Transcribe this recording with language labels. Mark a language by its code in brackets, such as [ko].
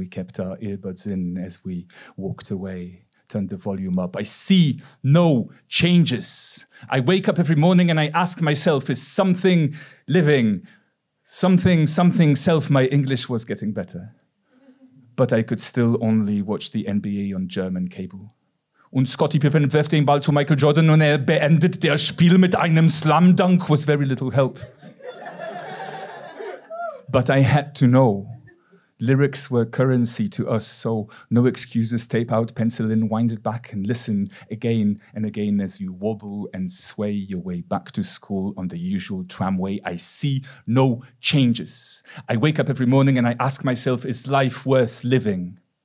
[en] We kept our earbuds in as we walked away, turned the volume up. I see no changes. I wake up every morning and I ask myself, is something living? Something, something self. My English was getting better, but I could still only watch the NBA on German cable. [de] Und Scottie Pippen wirft den Ball zu Michael Jordan und beendet der Spiel mit einem Slam Dunk [en] was very little help. But I had to know. Lyrics were currency to us, so no excuses, tape out, pencil in, wind it back and listen again and again as you wobble and sway your way back to school on the usual tramway. I see no changes. I wake up every morning and I ask myself, is life worth living?